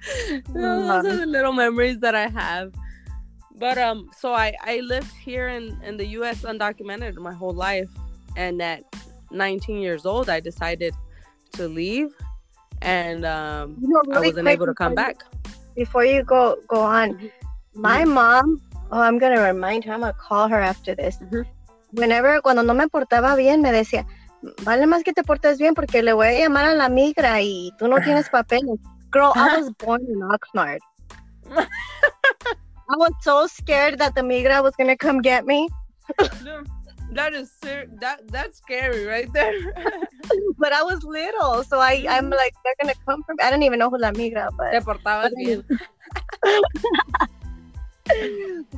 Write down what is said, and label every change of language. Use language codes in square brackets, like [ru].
[en] You know, those are the little memories that I have. But so I lived here in the U.S. undocumented my whole life. And at 19 years old, I decided to leave. And I wasn't able to come back. Before you go on, my mom, I'm going to remind her, I'm going to call her after this. Mm-hmm. Whenever, [es] cuando no me portaba bien, me decía, vale más que te portes bien porque le voy a llamar a la migra y tú no tienes papel. [en] Girl, I was born in Oxnard. I was so scared that the migra was going to come get me. That's scary right there. But I was little, so I'm like, they're going to come for me. I don't even know who la migra, but... [es] Te portabas bien.